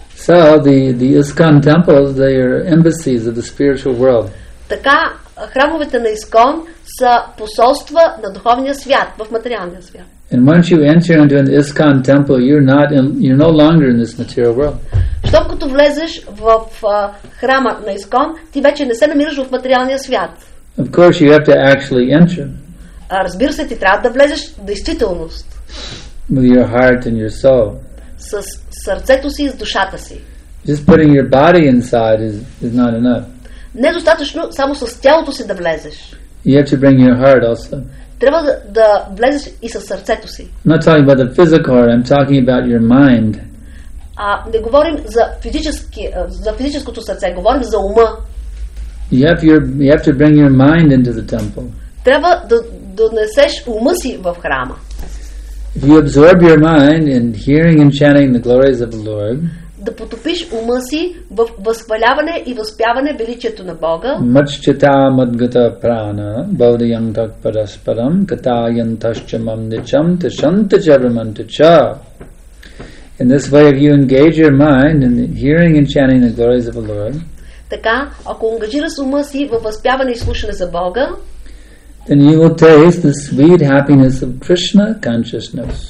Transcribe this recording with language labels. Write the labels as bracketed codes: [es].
[en] So the ISKCON temples, they are embassies of the spiritual world. [bg] Така храмовете на ИСКОН са посолства на духовния свят, в материалния свят. [en] And once you enter into an ISKCON temple, you're no longer in this material world. [bg] Щом като влезеш в храма на ИСКОН, ти вече не се намираш в материалния свят. [en] Of course you have to actually enter. [bg] Разбира се, ти трябва да влезеш в действителност. [en] With your heart and your soul. [bg] С сърцето си и с душата си. [en] Just putting your body inside is not enough. [bg] Недостатъчно само с тялото си да влезеш. [en] You have to bring your heart also. [bg] Трябва да влезеш и със сърцето си. [en] I'm not talking about the physical heart, I'm talking about your mind. [bg] Не говорим за физическото сърце, говорим за ума. [en] You have to bring your mind into the temple. [bg] Трябва да донесеш ума си в храма. [en] If you absorb your mind in hearing and chanting the glories of the Lord, [bg] да потопиш ума си в възхваляване и възпяване величието на Бога. [sa] Маччата мадгата прана бодиянтак параспарам катаянташча мамничам тешантача браманча. [en] In this way, if you engage your mind in hearing and chanting the glories of the Lord, [bg] така, ако ангажира ума си във възпяване и слушане за Бога, [en] then you will taste the sweet happiness of Krishna consciousness.